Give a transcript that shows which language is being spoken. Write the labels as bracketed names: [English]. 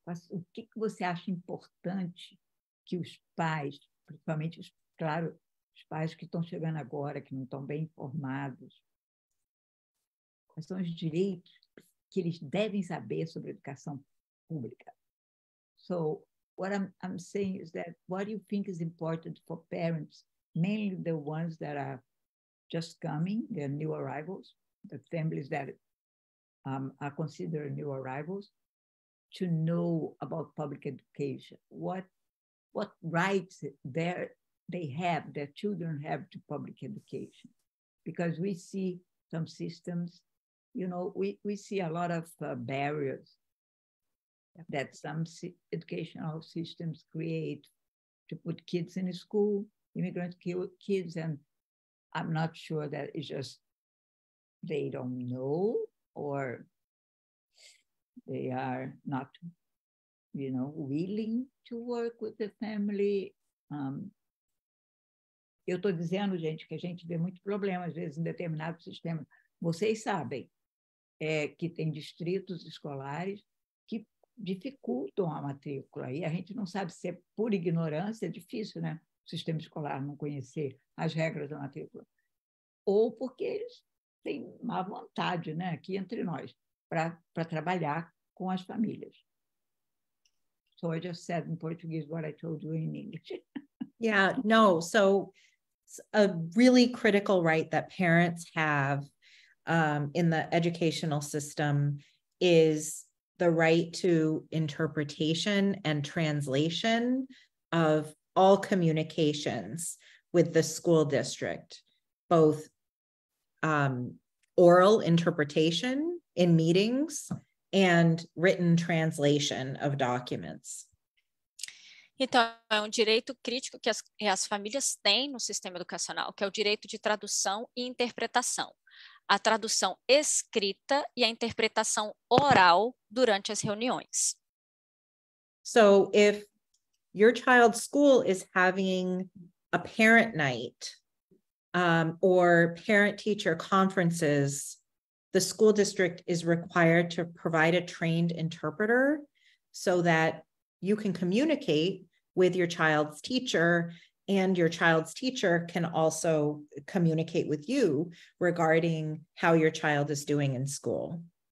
[Portuguese] O que você acha importante que os pais, principalmente, claro, os pais que estão chegando agora, que não estão bem informados, quais são os direitos que eles devem saber sobre a educação pública? [English] So, what I'm saying is that what do you think is important for parents, mainly the ones that are just coming, the new arrivals, the families that are considered new arrivals, to know about public education, what rights they have, their children have to public education. Because we see some systems, you know, we see a lot of barriers that some educational systems create to put kids in school, immigrant kids, and I'm not sure that it's just they don't know or they are not, you know, willing to work with the family. [Portuguese] Eu estou dizendo, gente, que a gente vê muito problema, às vezes, em determinado sistema. Vocês sabem que tem distritos escolares que dificultam a matrícula. E a gente não sabe se é por ignorância, é difícil, né? O sistema escolar não conhecer as regras da matrícula. Ou porque eles têm má vontade, né? Aqui entre nós, para trabalhar com as famílias. [English] So I just said in Portuguese what I told you in English. Yeah, no. So a really critical right that parents have in the educational system is the right to interpretation and translation of all communications with the school district, both oral interpretation in meetings and written translation of documents. [Portuguese] Então, é um direito crítico que as famílias têm no sistema educacional, que é o direito de tradução e interpretação. A tradução escrita e a interpretação oral durante as reuniões. [English] So, if your child's school is having a parent night or parent-teacher conferences, the school district is required to provide a trained interpreter so that you can communicate with your child's teacher and your child's teacher can also communicate with you regarding how your child is doing in school.